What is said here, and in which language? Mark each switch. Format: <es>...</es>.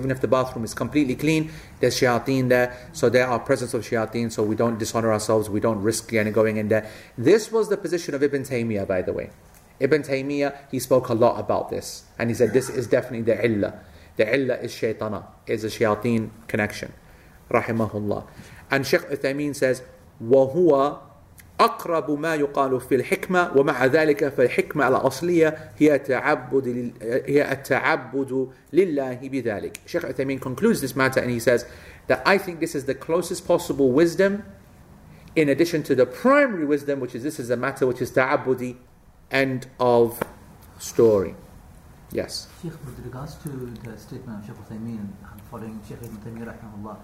<en>Even if the bathroom is completely clean, there's shayateen there. So there are presence of shayateen. So we don't dishonor ourselves. We don't risk going in there. This was the position of Ibn Taymiyyah, by the way. Ibn Taymiyyah, he spoke a lot about this. And he said, this is definitely the illah. The illah is shaytana. It's a shayateen connection. Rahimahullah. And Sheikh Uthaymeen says,</en> <ar>وَهُوَ أقرب ما يقال في الحكمة ومع ذلك فالحكمة الأصلية هي التعبد لله بذلك.</ar> <en>Sheikh Uthaymeen concludes this matter and he says that I think this is the closest possible wisdom in addition to the primary wisdom, which is this is a matter which is ta'abudi, end of story. Yes. Sheikh, with regards to the statement of Sheikh Uthaymeen, I'm following Sheikh Ibn Taymiyyah rahimahullah.</en>